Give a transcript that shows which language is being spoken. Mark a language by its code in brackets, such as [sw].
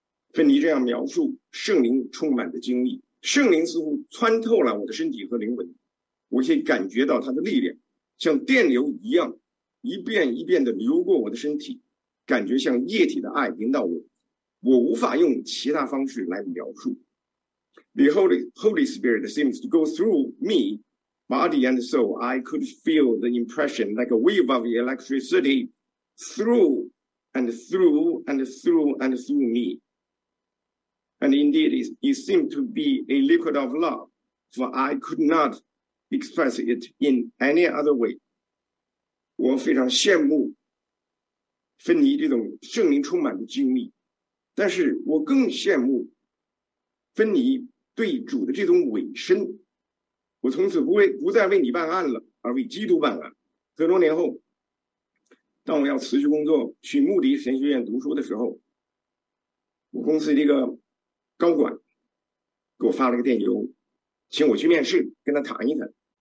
[zh] 芬尼这样描述圣灵充满的经历，圣灵似乎穿透了我的身体和灵魂，我可以感觉到他的力量像电流一样一遍一遍地流过我的身体，感觉像液体的爱引导我，我无法用其他方式来描述。 [en] The Holy Spirit seems to go through me, body and soul. I could feel the impression like a wave of electricity through and through and through and through me. And indeed, it seemed to be a liquid of love, for I could not express it in any other way. [zh] 我非常羡慕芬尼这种圣灵充满的经历，但是我更羡慕芬尼对主的这种委身。我从此不再为你办案了，而为基督办案。很多年后，当我要辞去工作去穆迪神学院读书的时候，我公司的一个高管给我发了个电邮，请我去面试，跟他谈一谈。